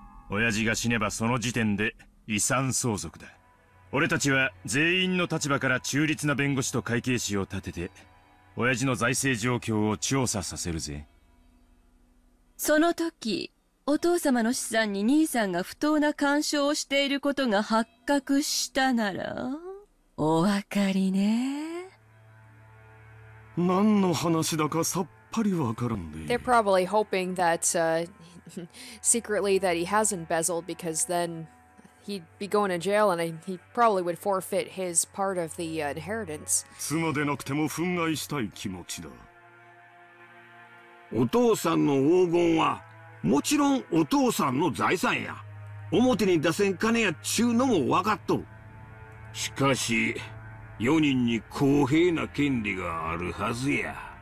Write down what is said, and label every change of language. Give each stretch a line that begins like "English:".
Japanese: 親父が死ねばその時点で遺産相続だ。俺たちは全員の立場から中立な弁護士と会計士を立てて親父の財政状況を調査させるぜ。その時お父様の資産に兄さんが不当な干渉をしていることが発覚したならお分かりね。何の話だかさっぱりわからんで。
English: They're probably hoping that、secretly that he has embezzled, because then he'd be going to jail and he probably would forfeit his part of the inheritance.
Japanese: 妻でなくても憤慨したい気持ちだ。お父さんの黄金はもちろんお父さんの財産や。表に出せん金やっちゅうのも分かっとる。しかし4人に公平な権利があるはずや。